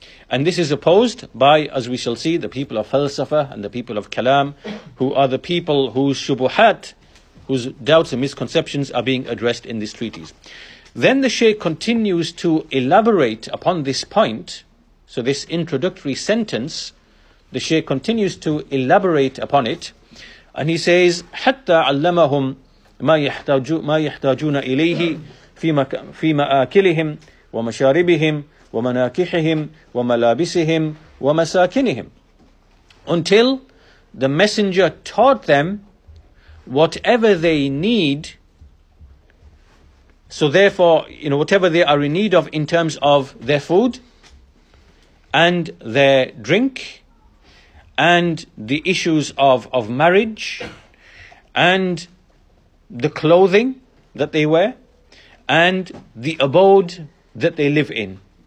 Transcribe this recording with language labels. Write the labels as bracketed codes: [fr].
[en] And this is opposed by, as we shall see, the people of falsafa and the people of kalam, who are the people whose shubuhat, whose doubts and misconceptions are being addressed in this treatise. Then the Shaykh continues to elaborate upon this point. So this introductory sentence, the Shaykh continues to elaborate upon it. And he says, [ar] حَتَّى عَلَّمَهُمْ مَا يَحْتَاجُونَ إِلَيْهِ فِي مَآكِلِهِمْ وَمَشَارِبِهِمْ وَمَنَاكِحِهِمْ وَمَلَابِسِهِمْ وَمَسَاكِنِهِمْ. [en] Until the messenger taught them whatever they need, so therefore, you know, whatever they are in need of in terms of their food and their drink and the issues of marriage and the clothing that they wear and the abode that they live in.